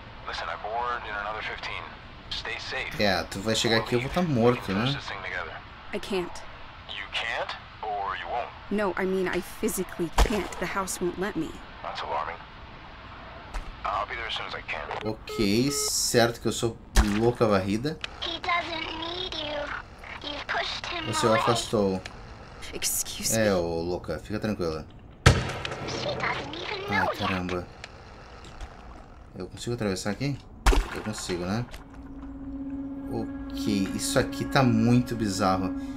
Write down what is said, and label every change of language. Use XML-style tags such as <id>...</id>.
<en>Listen, I'm bored in another 15. Stay safe.</en> <pt>Yeah, tu vai chegar aqui, eu vou estar morto, né?</pt> <en>I can't. You can't? Or you won't? No, I mean, I physically can't. The house won't let me. That's alarming. I'll be there as soon as I can.</en> <pt>Okay, certo que eu sou louca varrida.</pt> <en>He doesn't need you. You pushed him away.</en> <pt>Você o afastou.</pt> <en>Excuse me.</en> <pt>É, ô louca, fica tranquila. Ai, caramba. Eu consigo atravessar aqui? Eu consigo, né? Ok, isso aqui tá muito bizarro.</pt>